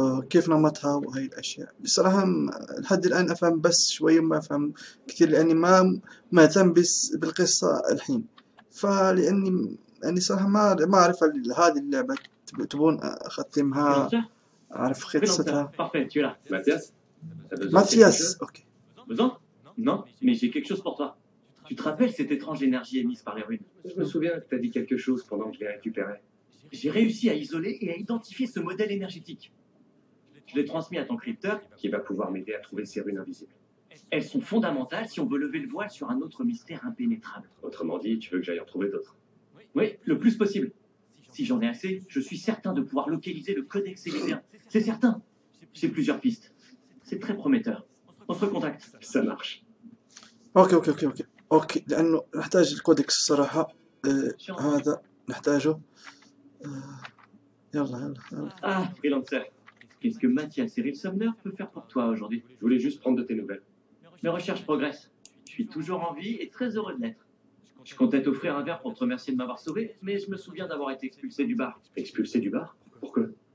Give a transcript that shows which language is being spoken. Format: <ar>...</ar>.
<ar>كيف نمطها وهي الاشياء بصراحه لحد الان افهم بس شويه ما افهم كثير لاني ما مهتم بالقصه الحين فلاني يعني صراحه ما اعرف هذه اللعبه تبون اختمها اعرف قصتها ماتياس ماتياس اوكي</ar> <fr>besoin non mais j'ai quelque chose pour toi tu te rappelles cette étrange énergie émise par les runes je me souviens que tu as dit quelque chose pendant que je les récupérais j'ai réussi à isoler et à identifier ce modèle énergétique je l'ai transmis à ton crypteur qui va pouvoir m'aider à trouver ces runes invisibles Elles sont fondamentales si on veut lever le voile sur un autre mystère impénétrable. Autrement dit, tu veux que j'aille en trouver d'autres? Oui, le plus possible. Si j'en ai assez, je suis certain de pouvoir localiser le codex élyséen. C'est certain. J'ai plusieurs pistes. C'est très prometteur. On se recontacte. Ça marche. Ok.</fr> <ar>اوك لانه نحتاج الكودكس صراحة هذا نحتاجه يلا</ar> <fr>اه فريلانسر qu'est-ce que Mathias et Cyril Sumner peut faire pour toi aujourd'hui? Je voulais juste prendre de tes nouvelles. Mes recherches progressent. Je suis toujours en vie et très heureux de l'être. Je comptais t'offrir un verre pour te remercier de m'avoir sauvé, mais je me souviens d'avoir été expulsé du bar. Expulsé du bar? Pourquoi?</fr>